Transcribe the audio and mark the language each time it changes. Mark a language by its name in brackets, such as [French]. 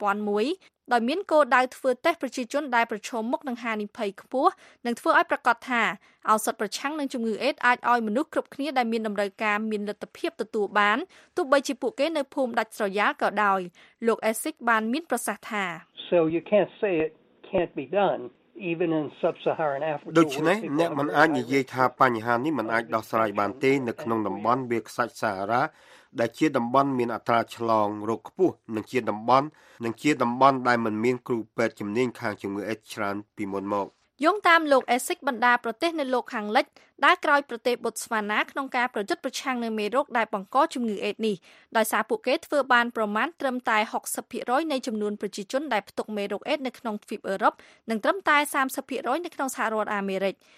[Khmer] 2001ដោយមានគោលដៅធ្វើតេស្តប្រជាជនដែលប្រឈមមុខនឹងហានិភ័យខ្ពស់និងធ្វើឲ្យប្រកាសថាឱសថប្រឆាំងនឹងជំងឺអេដស៍អាចឲ្យមនុស្សគ្រប់គ្នាដែលមានតម្រូវការមានលទ្ធភាពទទួលបានទោះបីជាពួកគេនៅភូមិដាច់ស្រយាលក៏ដោយលោក Essex បានមានប្រសាសន៍ថា [English] So you can't say it can't be done even in sub-Saharan Africa [Khmer] ដូច្នេះអ្នកមិនអាចនិយាយថាបញ្ហានេះមិនអាចដោះស្រាយបានទេនៅក្នុងតំបន់វាលខ្សាច់ Sahara ដែលជាតំបន់មានអត្រាឆ្លងរោគខ្ពស់និងជាតំបន់ដែលមិនមានគ្រូពេទ្យជំនាញខាងជំងឺអេដស៍ច្រើនពីមុនមក យោងតាមលោក Essex បណ្ដាប្រទេសនៅលោកខាងលិចដែលក្រោយប្រទេសបូតស្វ៉ាណាក្នុងការប្រយុទ្ធប្រឆាំងនឹងមេរោគដែលបង្កជំងឺអេដស៍នេះដោយសារពួកគេធ្វើបានប្រមាណត្រឹមតែ 60% នៃចំនួនប្រជាជនដែលផ្ទុកមេរោគអេដស៍នៅក្នុងទ្វីបអឺរ៉ុបនិងត្រឹមតែ 30% នៅក្នុងសហរដ្ឋអាមេរិក